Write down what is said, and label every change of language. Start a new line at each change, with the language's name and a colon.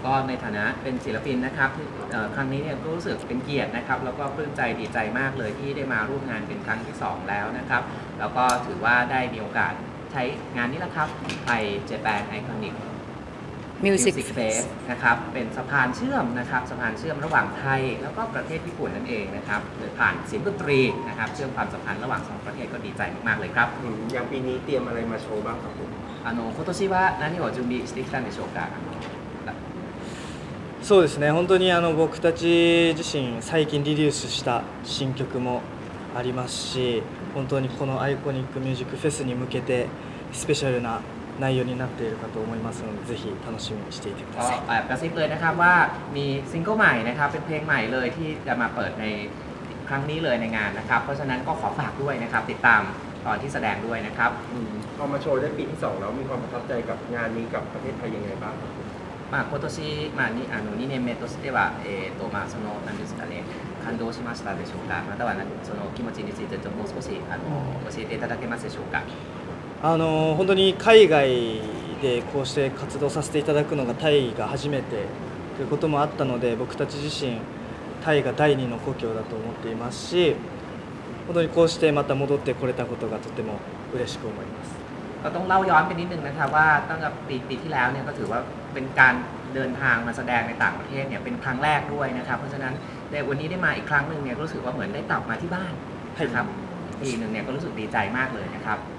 Thai: ก็ในฐานะเป็นศิลปินนะครับครั้งนี้เนี่ยก็รู้สึกเป็นเกียรตินะครับแล้วก็ปลื้มใจดีใจมากเลยที่ได้มาร่วมงานเป็นครั้งที่2แล้วนะครับแล้วก็ถือว่าได้มีโอกาสใช้งานนี้แล้วครับไทยเจแปนไอคอนิก
English: Music
Thai: Fest นะครับเป็นสะพานเชื่อมนะครับสะพานเชื่อมระหว่างไทยแล้วก็ประเทศญี่ปุ่นนั่นเองนะครับโดยผ่านเสียงดนตรีนะครับเชื่อมความสัมพันธ์ระหว่าง2ประเทศก็ดีใจมากๆเลยครับ อย่างปีนี้เตรียมอะไรมาโชว์บ้างครับ
Japanese: ผมことしは何を準備してきたんでしょうか。そうですね本当に僕たち自身最近リリースした新曲もありますし本当にこのアイコニックミュージックフェスに向けてスペシャルな内容になっているかと思いますのでぜひ楽しみにしていてください。
Thai: กระซิบเลยนะครับว่ามีซิงเกิลใหม่นะครับเป็นเพลงใหม่เลยที่จะมาเปิดในครั้งนี้เลยในงานนะครับเพราะฉะนั้นก็ขอฝากด้วยนะครับติดตามตอนที่แสดงด้วยนะครับ พอมาโชว์ได้ปีที่2แล้วมีความประทับใจกับงานนี้กับประเทศไทยยังไงบ้างครับ
Japanese: มาことしまにあの2年目としてはまあその何ですかね感動しましたでしょうかまたはその気持ちについてもう少し教えていただけますでしょうか。本当に海外でこうして活動させていただくのがタイが初めてということもあったので僕たち自身タイが第二の故郷だと思っていますし本当にこうしてまた戻ってこれたことがとても嬉しく思います。
Thai: ต้องเล่าย้อนไปนิดนึงนะครับว่าตั้งแต่ปีที่แล้วเนี่ยก็ถือว่าเป็นการเดินทางมาแสดงในต่างประเทศเนี่ยเป็นครั้งแรกด้วยนะครับเพราะฉะนั้นแต่วันนี้ได้มาอีกครั้งนึงเนี่ยรู้สึกว่าเหมือนได้กลับมาที่บ้าน ใช่ครับ ปีนึงเนี่ยก็รู้สึกดีใจมากเลยนะครับ